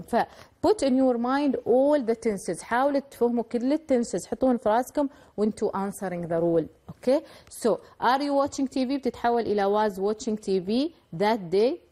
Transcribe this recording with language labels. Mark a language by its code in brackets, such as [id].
[en] ف put in your mind all the tenses. [ar] حاولوا تفهموا كل التنسز. حطوهم في راسكم وانتوا [en] answering the rule. Okay, so are you watching TV [ar] بتتحول إلى [en] was watching TV that day.